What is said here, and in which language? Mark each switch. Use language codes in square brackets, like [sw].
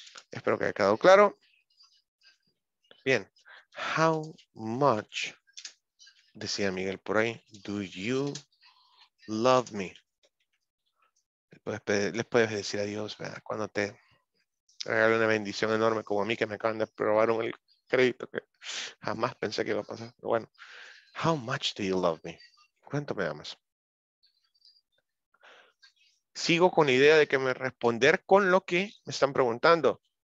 [es] Espero que haya quedado claro. Bien. [en] How much, [es] decía Miguel por ahí, [en] do you love me? [es] Les puedes decir adiós, ¿verdad? Cuando te regalo una bendición enorme como a mí que me acaban de aprobar el crédito que jamás pensé que iba a pasar. Pero bueno, [en] how much do you love me? [es] ¿Cuánto me amas? Sigo con la idea de que me responder con lo que me están preguntando.